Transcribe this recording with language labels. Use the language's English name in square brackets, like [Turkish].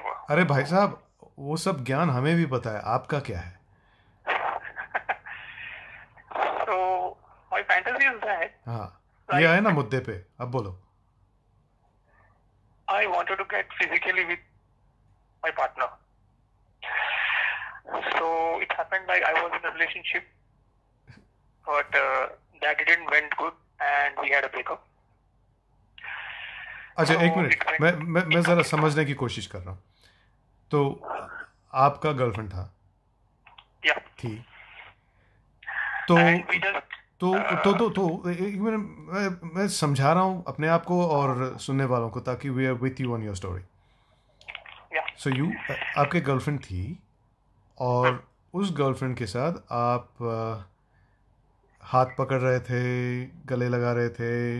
[Hindi] अरे भाई साहब वो सब ज्ञान हमें भी पता है आपका क्या है ये आए ना मुद्दे पे अब बोलो [English] I wanted to get physically with my partner so it happened like I was in a relationship but that didn't went good and we had a breakup [Hindi] अच्छा एक मिनट मैं जरा समझने की कोशिश कर रहा हूँ तो आपका गर्लफ्रेंड था थी तो एक मिनट मैं समझा रहा हूँ अपने आप को और सुनने वालों को ताकि [English] we are with you on your story so you [Hindi] आपके गर्लफ्रेंड थी और उस गर्लफ्रेंड के साथ आप हाथ पकड़ रहे थे गले लगा रहे थे